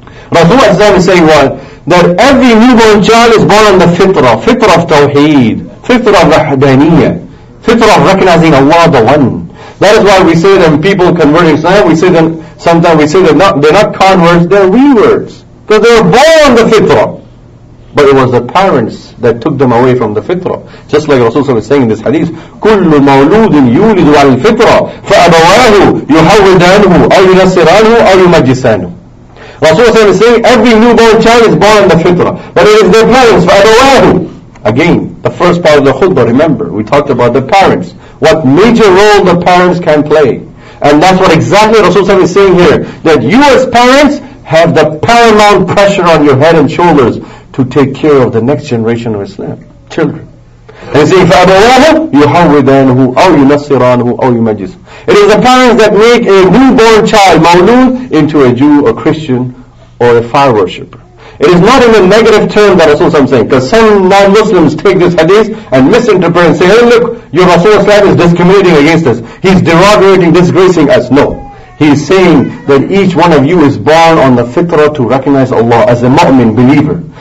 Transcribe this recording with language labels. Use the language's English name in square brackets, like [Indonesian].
[English] Rasulullah is saying what? That every newborn child is born on the fitra, fitra of tawheed, fitra of rahdaniyah. Fitrah of recognizing Allah the One. That is why we say them people converting Islam, we say them, sometimes we say them not, they're not converts, they're reverts. Because they were born the fitrah. But it was the parents that took them away from the fitrah. Just like Rasulullah is saying in this hadith, [Arabic] كُلُّ مَوْلُودٍ يُولِدُ عَلَى الْفِطْرَةِ فَأَبَوَاهُ يُحَوِّدَانُهُ أَوْ يُنَصِّرَانُهُ أَوْ يُمَجِّسَانُهُ. [English] Rasulullah is saying every newborn child is born the fitrah. But it is their parents, فَأَبَوَاهُ. Again, the first part of the khutbah, remember, we talked about the parents. What major role the parents can play. And that's what exactly Rasulullah is saying here. That you as parents have the paramount pressure on your head and shoulders to take care of the next generation of Islam, children. And say, if [Arabic] أَبَوَاهُمْ يُحَوِّذَانُهُ أَوْ يُنَصِّرَانُهُ أَوْ يُمَجِّسُ. [English] It is the parents that make a newborn child, Mawlud, into a Jew, a Christian, or a fire worshipper. It is not in a negative term that Rasulullah is saying, because some non-Muslims take this hadith and misinterpret and say, hey look, your Rasulullah is discriminating against us. He's derogating, disgracing us. No. He's saying that each one of you is born on the fitrah to recognize Allah as a mu'min, believer.